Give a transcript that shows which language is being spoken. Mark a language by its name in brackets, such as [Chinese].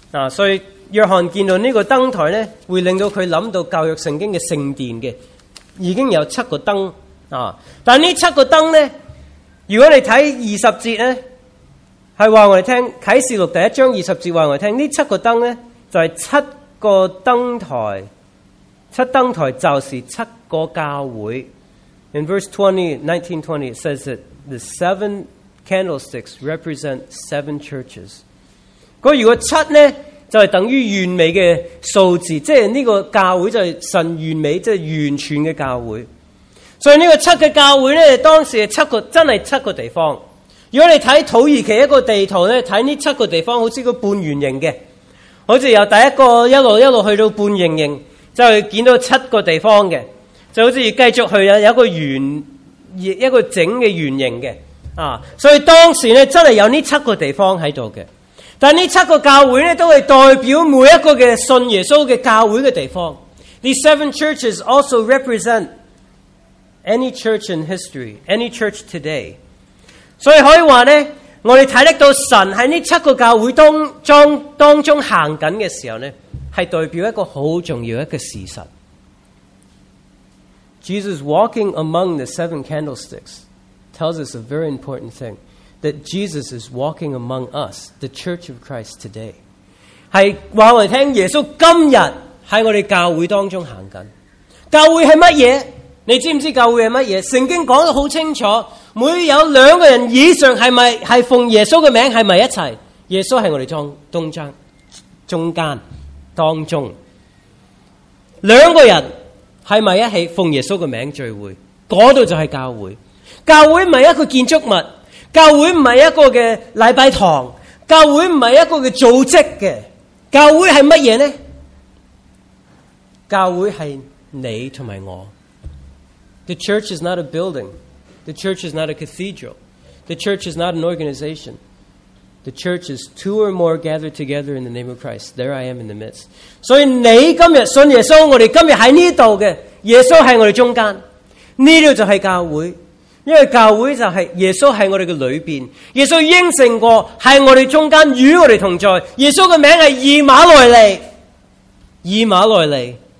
[Chinese] 所以约翰见到这个灯台呢，会令到他想到教育圣经的圣殿的已经有七个灯。但这七个灯呢，如果你看20节呢，是告诉我们启示录第一章20节，告诉我们这七个灯呢，就是七个灯台，七灯台就是七个教会。 [English] In verse 19:20 it says that the seven candlesticks represent seven churches. [Chinese] 如果七呢，就是等于完美的数字，即是这个教会就是神完美，即是完全的教会。所以这个七的教会呢，当时是七个，真的是七个地方。如果你看土耳其一个地图呢，看这七个地方好像是半圆形的，好像由第一个一路一路去到半圆形，就是见到七个地方的，就好像继续去有一个圆，一个整的圆形的。所以当时呢，真的有这七个地方在这里。但这七个教会呢，都是代表每一个信耶稣的教会的地方。 [English] These seven churches also represent any church in history, any church today. [Chinese] 所以可以说呢，我们看得到神在这七个教会当中行紧的时候呢，是代表一个很重要的一个事实。 [English] Jesus walking among the seven candlesticks. Tells us a very important thing, that Jesus is walking among us, the Church of Christ today. [Chinese] 是话我们听，耶稣今日在我们教会当中行紧。教会是什么？你知不知道教会是什么？圣经讲得很清楚，每有两个人以上是奉耶稣的名是不是一起，耶稣是我们中间当中。两个人是不是一起奉耶稣的名聚会，那里就是教会。教会不是一个建筑物，教会不是一个的礼拜堂，教会不是一个的组织的，教会是什么呢？教会是你和我。 [English] The church is not a building. The church is not a cathedral. The church is not an organization. The church is two or more gathered together in the name of Christ. There I am in the midst. [Chinese] 所以你今天信耶稣，我们今天在这里的耶稣在我们中间，这里就是教会。因为教会就是耶稣在我们的里面，耶稣答应过在我们中间与我们同在，耶稣的名字是以马内利，以马内利